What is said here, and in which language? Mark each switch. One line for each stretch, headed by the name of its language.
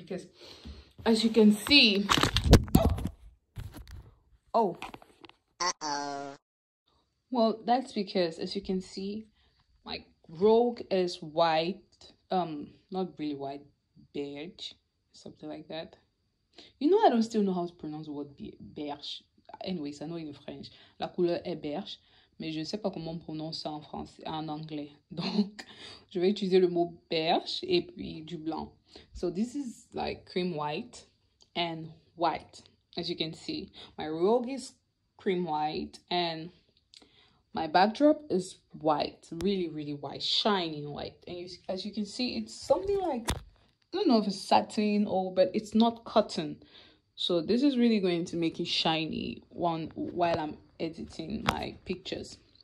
English: Because as you can see, oh, well, that's because as you can see, my rogue is white, not really white, beige, something like that. You know, I don't still know how to pronounce the word beige. Anyways, I know in French,
French: la couleur est beige. Mais je ne sais pas comment on prononce ça en français, en anglais. Donc, je vais utiliser le mot beige et puis du blanc.
English: So, this is like cream white and white. As you can see, my rogue is cream white and my backdrop is white. Really, really white. Shining white. And you, as you can see, it's something like don't know if it's satin or, but it's not cotton. So this is really going to make it shiny one while I'm editing my pictures.